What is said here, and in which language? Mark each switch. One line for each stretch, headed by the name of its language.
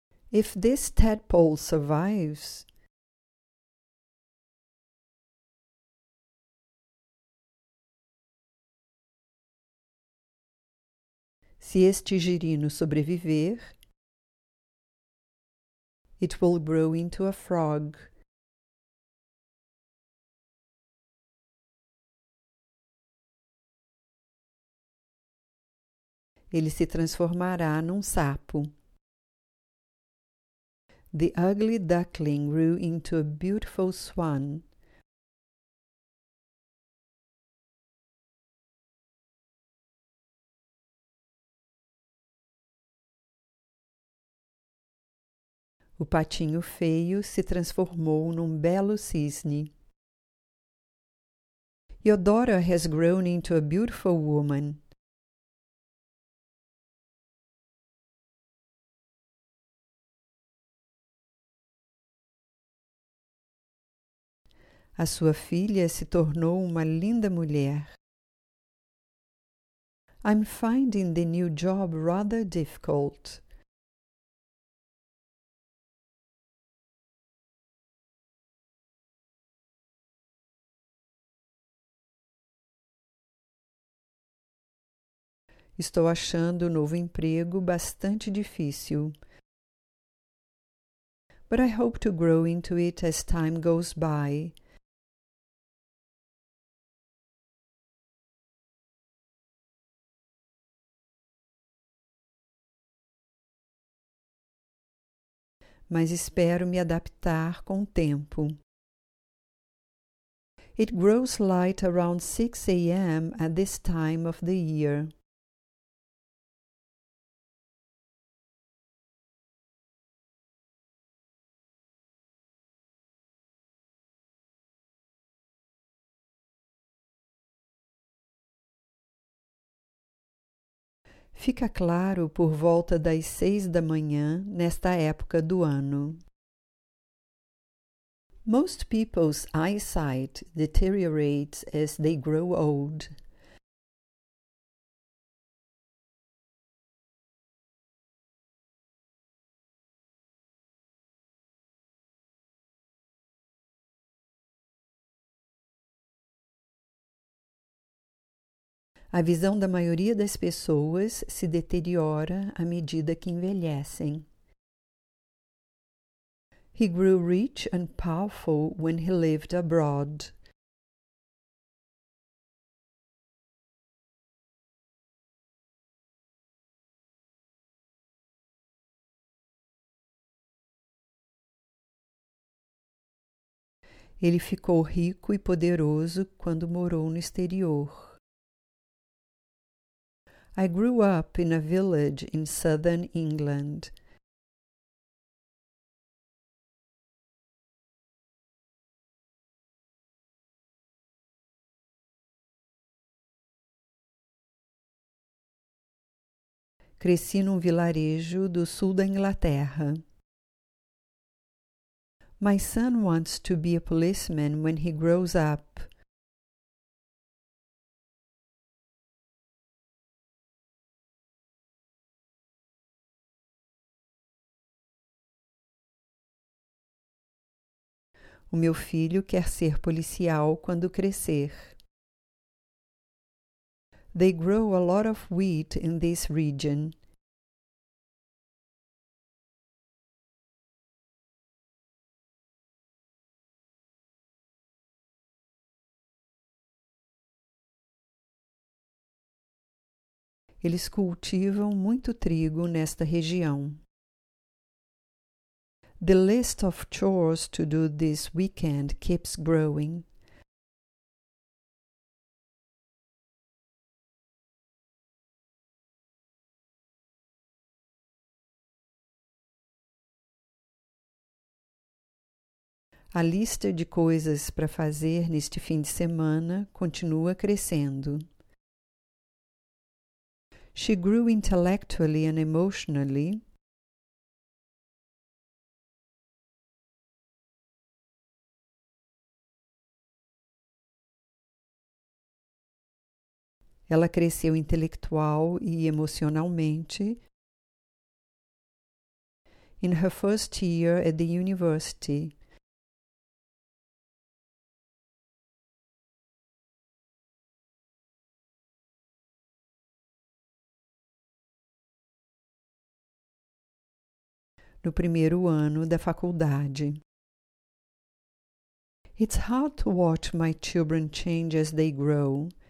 English: If this tadpole survives,
Portuguese: se este girino sobreviver,
English: it will grow into a frog.
Portuguese: Ele se transformará num sapo.
English: The ugly duckling grew into a beautiful swan.
Portuguese: O patinho feio se transformou num belo cisne.
English: Your daughter has grown into a beautiful woman.
Portuguese: A sua filha se tornou uma linda mulher.
English: I'm finding the new job rather difficult.
Portuguese: Estou achando o novo emprego bastante difícil.
English: But I hope to grow into it as time goes by.
Portuguese: Mas espero me adaptar com o tempo.
English: It grows light around 6 a.m. at this time of the year.
Portuguese: Fica claro por volta das 6 da manhã, nesta época do ano.
English: Most people's eyesight deteriorates as they grow old.
Portuguese: A visão da maioria das pessoas se deteriora à medida que envelhecem.
English: He grew rich and powerful when he lived abroad.
Portuguese: Ele ficou rico e poderoso quando morou no exterior.
English: I grew up in a village in southern England.
Portuguese: Cresci num vilarejo do sul da Inglaterra.
English: My son wants to be a policeman when he grows up.
Portuguese: O meu filho quer ser policial quando crescer.
English: They grow a lot of wheat in this region.
Portuguese: Eles cultivam muito trigo nesta região.
English: The list of chores to do this weekend keeps growing.
Portuguese: A lista de coisas para fazer neste fim de semana continua crescendo.
English: She grew intellectually and emotionally.
Portuguese: Ela cresceu intelectual e emocionalmente.
English: In her first year at the university.
Portuguese: No primeiro ano da faculdade.
English: It's hard to watch my children change as they grow.